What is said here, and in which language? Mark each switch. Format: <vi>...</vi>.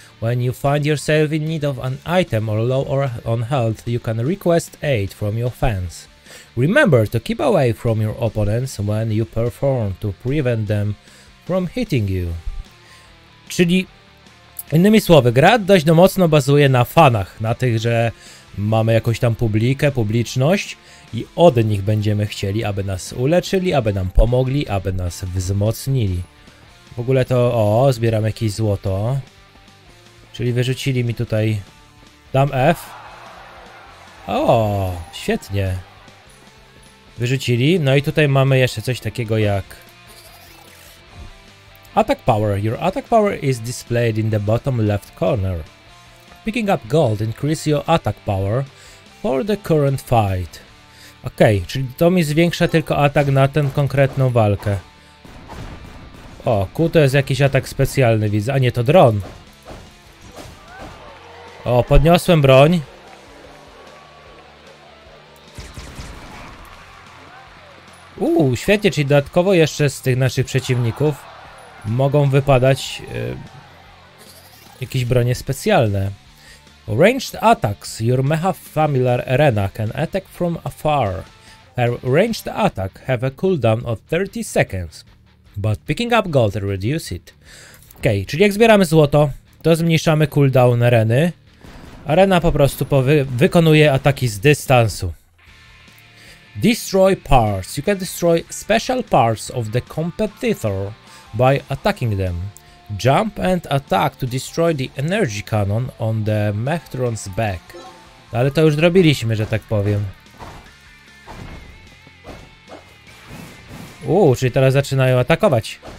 <en>When you find yourself in need of an item or low or on health, you can request aid from your fans. Remember to keep away from your opponents when you perform to prevent them from hitting you.</en> <pl>Czyli, innymi słowy, gra dość no mocno bazuje na fanach, na tych, że mamy jakąś tam publikę, publiczność i od nich będziemy chcieli, aby nas uleczyli, aby nam pomogli, aby nas wzmocnili. W ogóle to, o, zbieram jakieś złoto. Czyli wyrzucili mi tutaj, dam F. O, świetnie. Wyrzucili, no i tutaj mamy jeszcze coś takiego jak...</pl> <en>Attack power. Your attack power is displayed in the bottom left corner. Picking up gold increases your attack power for the current fight.</en> <pl>Okej, czyli to mi zwiększa tylko atak na tę konkretną walkę. O, Q to jest jakiś atak specjalny, widzę, a nie to dron. O, podniosłem broń. Uuu, świetnie, czyli dodatkowo jeszcze z tych naszych przeciwników mogą wypadać jakieś bronie specjalne.</pl> <en>Ranged attacks. Your mecha familiar arena can attack from afar. Her ranged attack have a cooldown of 30 seconds. But picking up gold reduce it.</en> <pl>Okej, czyli jak zbieramy złoto, to zmniejszamy cooldown areny. Arena po prostu wykonuje ataki z dystansu.</pl> <en>Destroy parts. You can destroy special parts of the competitor by attacking them. Jump and attack to destroy the energy cannon on the mechtron's back.</en> <pl>Ale to już zrobiliśmy, że tak powiem. Czyli teraz zaczynają atakować.</pl>